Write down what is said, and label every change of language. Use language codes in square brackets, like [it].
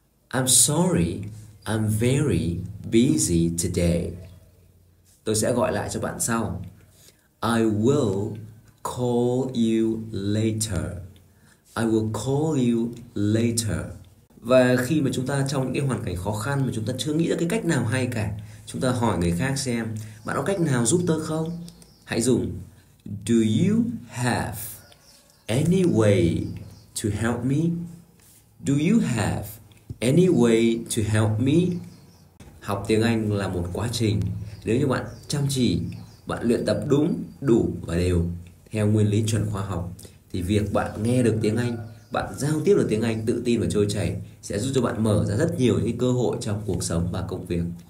[en] I'm sorry, I'm very busy today. [vi] Tôi sẽ gọi lại cho bạn sau. [en] I will call you later. I will call you later. [vi] Và khi mà chúng ta trong những cái hoàn cảnh khó khăn mà chúng ta chưa nghĩ ra cái cách nào hay cả, chúng ta hỏi người khác xem bạn có cách nào giúp tôi không? Hãy dùng [en] Do you have any way to help me? Do you have any way to help me? [vi] Học tiếng Anh là một quá trình. Nếu như bạn chăm chỉ, bạn luyện tập đúng, đủ và đều theo nguyên lý chuẩn khoa học thì việc bạn nghe được tiếng Anh, bạn giao tiếp được tiếng Anh tự tin và trôi chảy sẽ giúp cho bạn mở ra rất nhiều những cơ hội trong cuộc sống và công việc.